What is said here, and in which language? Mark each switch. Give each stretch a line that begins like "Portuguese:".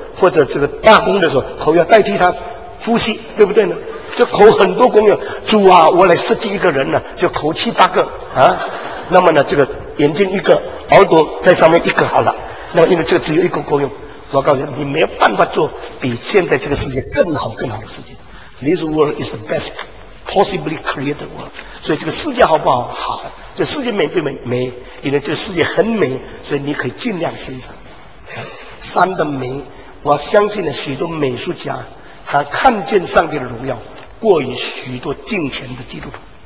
Chinese: 或者这个罢工的时候，口要代替他呼吸，对不对呢？这口很多功用，主啊，我来设计一个人呢，就口7、8个啊。那么呢，这个眼睛一个，耳朵在上面一个好了。那么因为这个只有一个功用，我告诉你，你没有办法做比现在这个世界更好更好的世界。
English: This world is the best possibly created world。
Chinese: 所以这个世界好不好？好，这世界美不美？美，因为这个世界很美，所以你可以尽量欣赏。山的美。我相信了许多美术家他看见上帝的荣耀过于许多敬虔的基督徒。